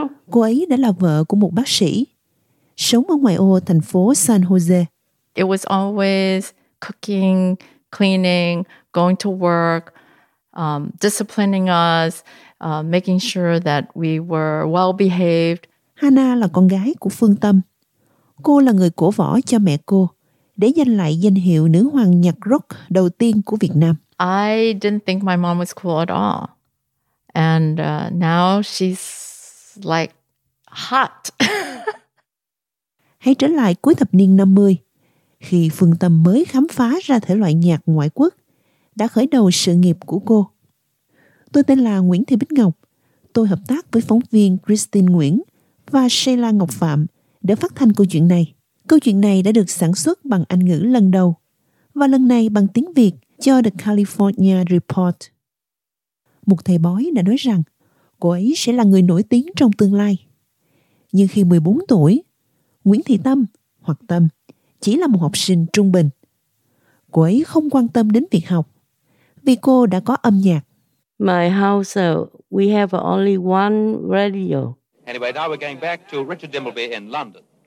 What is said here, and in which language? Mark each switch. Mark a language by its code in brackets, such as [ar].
[vi] Cô ấy đã là vợ của một bác sĩ sống ở ngoài ô thành phố San Jose. [en] It was always cooking, cleaning, going to work, disciplining us, making sure that we were well behaved. [vi] Hannah là con gái của Phương Tâm. Cô là người cổ võ cho mẹ cô để giành lại danh hiệu nữ hoàng nhạc rock đầu tiên của Việt Nam. [en] I didn't think my mom was cool at all. And now she's like hot. [vi] Hãy trở lại cuối thập niên 50, khi Phương Tâm mới khám phá ra thể loại nhạc ngoại quốc, đã khởi đầu sự nghiệp của cô. Tôi tên là Nguyễn Thị Bích Ngọc. Tôi hợp tác với phóng viên Christine Nguyễn và Sheila Ngọc Phạm để phát thanh câu chuyện này. Câu chuyện này đã được sản xuất bằng Anh ngữ lần đầu, và lần này bằng tiếng Việt cho The California Report. Một thầy bói đã nói rằng cô ấy sẽ là người nổi tiếng trong tương lai. Nhưng khi 14 tuổi, Nguyễn Thị Tâm, hoặc Tâm, chỉ là một học sinh trung bình. Cô ấy không quan tâm đến việc học, vì cô đã có âm nhạc. [en] My house, we have only one radio. Anyway, now we're going back to Richard Dimbleby in London.